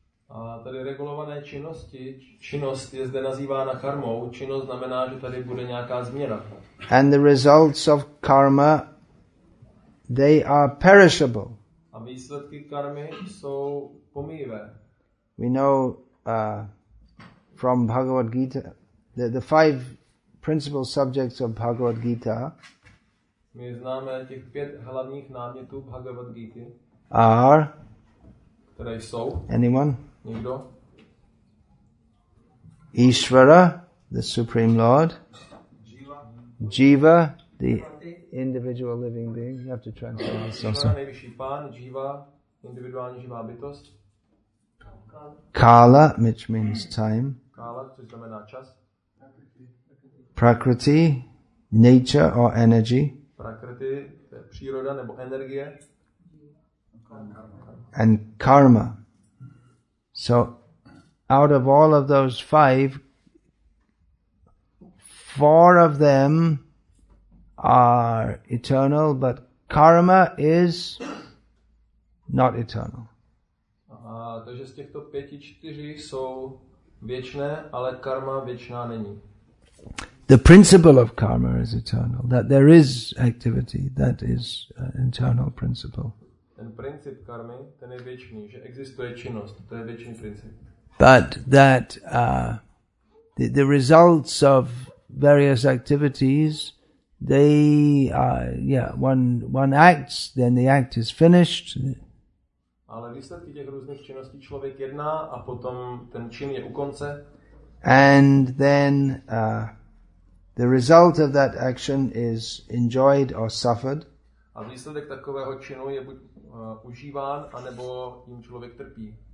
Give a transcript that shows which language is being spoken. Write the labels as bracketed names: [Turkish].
[Czech] A tady regulované činnosti, činnost je zde nazývána karmou. Činnost znamená, že tady bude nějaká změna. [English] And the results of karma, they are perishable. [Czech] A výsledky karmy jsou pomývé. [English] We know from Bhagavad Gita, the five principal subjects of Bhagavad Gita. [Czech] My známe těch pět hlavních námětů Bhagavad Gita. [English] Are? [Czech] Které jsou? [English] Anyone? [Czech] Nikdo? [English] Ishvara, the Supreme Lord. Jiva, the individual living being. You have to translate this also. [Czech] Ishvara, nejvyšší pán, jiva, individuální živá bytost. [English] Kala, which means time. [Czech] Kala, což znamená čas. [English] Prakriti, nature or energy. [Czech] Prakriti, to je příroda nebo energie. [English] And karma. So, out of all of those five, four of them are eternal, but karma is not eternal. [Czech] Takže z těchto pěti čtyři jsou věčné, ale karma věčná není. [English] The principle of karma is eternal, that there is activity, that is an eternal principle. [Czech] Ten princip karmy, ten je věčný, že existuje činnost, to je věčný princip. [English] But that the results of various activities, they one acts, then the act is finished. [Czech] Ale výsledky těch různých činností člověk jedná a potom ten čin je u konce. [English] And then the result of that action is enjoyed or suffered. [Czech] A výsledek takového činu je buď užíván, anebo jim člověk trpí.